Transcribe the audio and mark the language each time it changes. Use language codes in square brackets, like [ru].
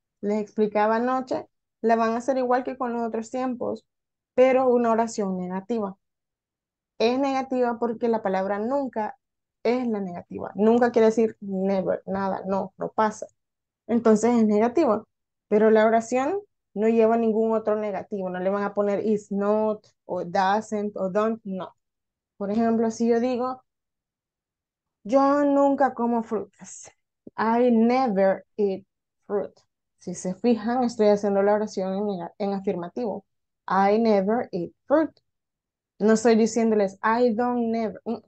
[es] Les explicaba anoche, la van a hacer igual que con los otros tiempos, pero una oración negativa. Es negativa porque la palabra nunca es la negativa. Nunca quiere decir never, nada, no, no pasa. Entonces es negativa. Pero la oración no lleva ningún otro negativo. No le van a poner is not o doesn't o don't, no. Por ejemplo, si yo digo, yo nunca como frutas. [en] I never eat fruit. [es] Si se fijan, estoy haciendo la oración en afirmativo. [en] I never eat fruit. [es] No estoy diciéndoles, [en] I don't never.